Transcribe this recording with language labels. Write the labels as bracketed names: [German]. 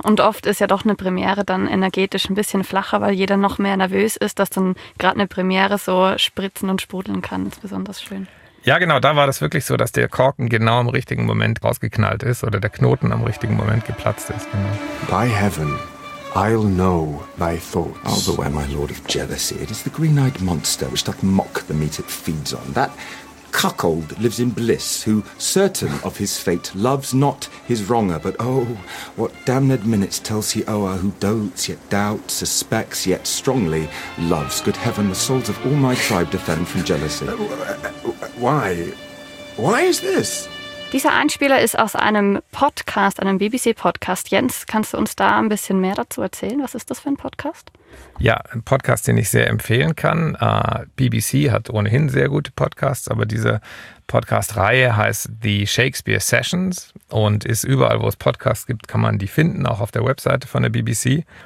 [German] Und oft ist ja doch eine Premiere dann energetisch ein bisschen flacher, weil jeder noch mehr nervös ist, dass dann gerade eine Premiere so spritzen und sprudeln kann. Das ist besonders schön. Ja, genau. Da war das wirklich so, dass der Korken genau im richtigen Moment rausgeknallt ist oder der Knoten am richtigen Moment geplatzt ist. Genau. [English] By heaven. I'll know thy thoughts. Although am I lord of jealousy, it is the green-eyed monster which doth mock the meat it feeds on. That cuckold lives in bliss, who, certain of his fate, loves not his wronger. But oh, what damned minutes tells he o'er, who dotes, yet doubts, suspects, yet strongly loves. Good heaven, the souls of all my tribe defend from jealousy. Why? Why is this? [German] Dieser Einspieler ist aus einem Podcast, einem BBC-Podcast. Jens, kannst du uns da ein bisschen mehr dazu erzählen? Was ist das für ein Podcast? Ja, ein Podcast, den ich sehr empfehlen kann. BBC hat ohnehin sehr gute Podcasts, aber diese Podcast-Reihe heißt The Shakespeare Sessions und ist überall, wo es Podcasts gibt, kann man die finden, auch auf der Webseite von der BBC.